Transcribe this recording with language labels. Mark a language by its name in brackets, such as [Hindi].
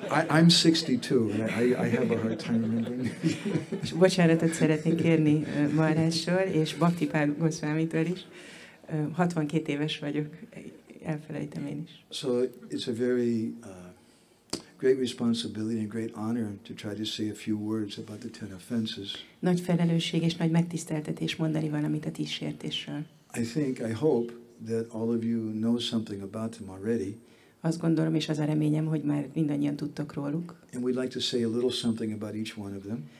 [English] I'm 62 and I have a hard time remembering. [Hungarian] Bocsánatot szeretnék kérni Maharajtól és Bhaktipad Goswamitól is. 62 éves vagyok. Elfelejtem én is. [English] So it's a very great responsibility and great honor to try to say a few words about the 10 offenses. [Hungarian] Nagy felelősség és nagy megtiszteltetés mondani valamit a 10 sértésről. [English] I hope that all of you know something about them already. [Hungarian] Azt gondolom és az a reményem, hogy már mindannyian tudtok róluk. [English] And we'd like to say a little something about each one of them.